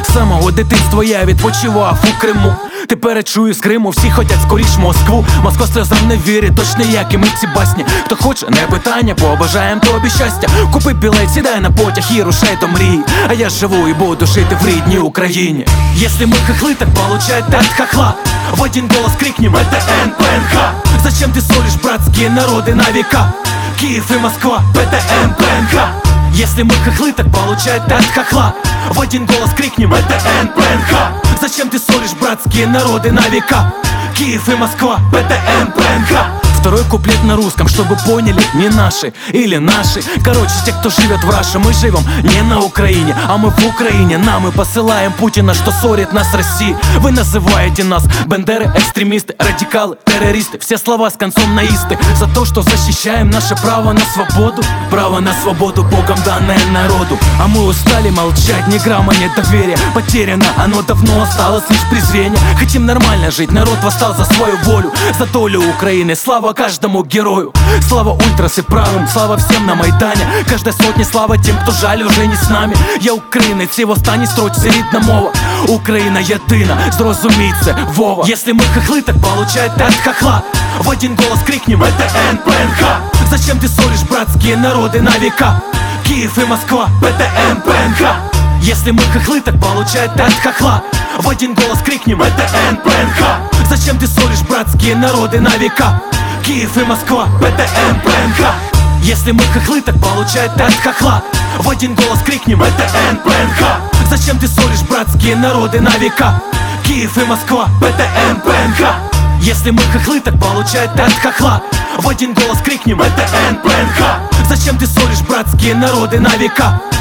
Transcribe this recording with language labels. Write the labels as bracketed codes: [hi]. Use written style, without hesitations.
[uk] З самого дитинства я відпочивав у Криму. Тепер я чую з Криму, всі хотять скоріш Москву. Москва сльозам не вірить, точно як і ми ці басні. Хто хоче, не питання, побажаєм тобі щастя. Купи білет, сідай на потяг і рушай до мрії. А я живу і буду жити в рідній Україні. Якщо ми хахли, так [ru] получайте от хахла. [uk] В один голос крикнем, [ru] это [uk] НПНХ. [ru] Зачем [uk] ти солиш братські народи на віка? Київ і Москва, ПТН, ПНХ. Якщо ми хахли, так [ru] получайте от хахла. [uk] В один голос крикнем, [ru] это [uk] НПНХ. [ru] Зачем [uk] ти солиш братські народи на віка? Київ і Москва, ПТН, ПНХ. [ru] Второй куплет на русском, чтобы поняли, не наши или наши. Короче, те, кто живет в Раше, мы живем не на Украине, а мы в Украине. Нам и посылаем Путина, что ссорит нас России. Вы называете нас бендеры, экстремисты, радикалы, террористы. Все слова с концом наисты. За то, что защищаем наше право на свободу. Право на свободу, Богом данное народу. А мы устали молчать, ни грамма, ни доверия. Потеряно, оно давно осталось лишь презрение. Хотим нормально жить, народ восстал за свою волю. За долю Украины, слава. Слава каждому герою, слава ультрас и правым, слава всем на Майдане. Каждой сотне слава тем, кто жаль уже не с нами. [uk] Я українець, і в останній строчці рідна мова. Україна єдина, зрозумій це, Вова. Якщо ми хахли, так [ru] получайте от хахла. [uk] В один голос крикнем, [ru] это [uk] НПНХ. [ru] Зачем [uk] ти солиш братські народи на віка? Київ і Москва, ПТН, ПНХ. Якщо ми хахли, так [ru] получайте от хахла. [uk] В один голос крикнем, [ru] это [uk] НПНХ. [ru] Зачем [uk] ти солиш братські народи на віка? Київ і Москва, ПТН, ПНХ. Якщо ми хахли, так [ru] получайте от хахла. [uk] В один голос крикнем, [ru] это [uk] НПНХ. [ru] Зачем [uk] ти солиш братські народи на віка? Київ і Москва, ПТН, ПНХ. Якщо ми хахли, так [ru] получайте от хахла. [uk] В один голос крикнем, [ru] это [uk] НПНХ. [ru] Зачем [uk] ти солиш братські народи на віка?